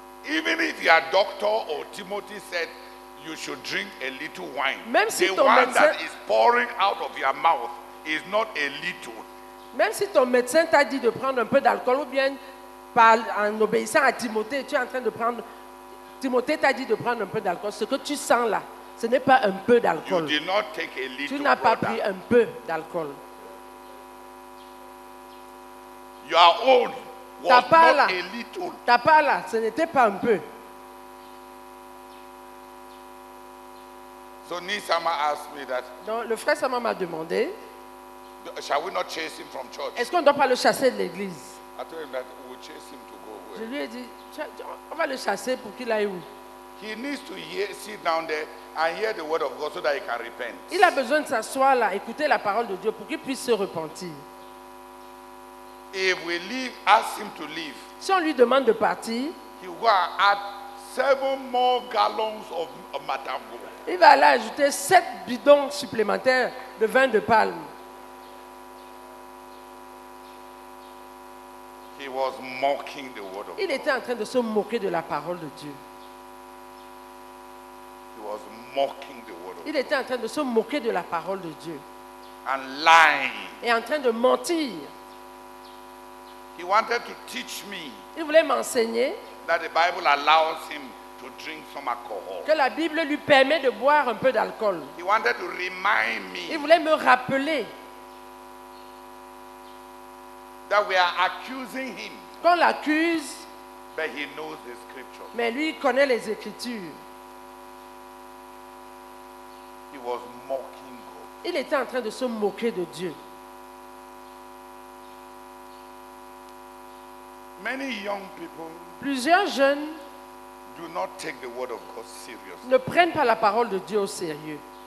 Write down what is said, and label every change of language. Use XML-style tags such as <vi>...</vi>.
<en>even if your doctor or Timothy said you should drink a little wine,</en> <fr>même si</fr> <en>the</en> <fr>ton</fr> <en>one</en> <fr>médecin,</fr> <en>that is pouring out of your mouth is not a little.</en> <fr>Même si ton médecin t'a dit de prendre un peu d'alcool ou bien par, en obéissant à Timothée, tu es en train de prendre. Timothée t'a dit de prendre un peu d'alcool. Ce que tu sens là, ce n'est pas un peu d'alcool.</fr> <en>You did not take a little,</en> <fr>tu n'as pas</fr> <en>brother.</en> <fr>Pris un peu d'alcool.</fr> <en>Your own was not a little.</en> <fr>Ta part là, ce n'était pas un peu.</fr> <en>So Nisama asked me that.</en> <fr>Donc le frère Sama m'a demandé.</fr> <en>Shall we not chase him from church?</en> <fr>Est-ce qu'on ne doit pas le chasser de l'église?</fr> <en>I told him that we'll chase him to go where.</en> <fr>Je lui ai dit, on va le chasser pour qu'il aille où?</fr> <en>He needs to sit down there and hear the word of God so that he can repent.</en> <fr>Il a besoin de s'asseoir là, écouter la parole de Dieu pour qu'il puisse se repentir.</fr> <en>If we leave, ask him to leave.</en> <fr>Si on lui demande de partir,</fr> <en>he will add 7 more gallons of matango.</en> <fr>Il va aller ajouter 7 bidons supplémentaires de vin de palme.</fr> <en>He was mocking the word of God.</en> <fr>Il était en train de se moquer de la parole de Dieu.</fr> <en>He was mocking the word of God.</en> <fr>Il était en train de se moquer de la parole de Dieu.</fr> <en>And lying.</en> <fr>Et en train de mentir.</fr> <en>He wanted to teach me.</en> <fr>Il voulait m'enseigner.</fr> <en>That the Bible allows him to drink some alcohol.</en> <fr>Que la Bible lui permet de boire un peu d'alcool.</fr> <en>He wanted to remind me.</en> <fr>Il voulait me rappeler.</fr> <en>That we are accusing him.</en> <fr>Qu'on l'accuse.</fr> <en>But he knows the scriptures.</en> <fr>Mais lui connaît les écritures.</fr> <en>He was mocking God.</en> <fr>Il était en train de se moquer de Dieu.</fr> <en>Many young people,</en> <fr>plusieurs jeunes,</fr> <en>do not take the word of God seriously.</en> <fr>Ne prennent pas la parole de Dieu au sérieux.</fr>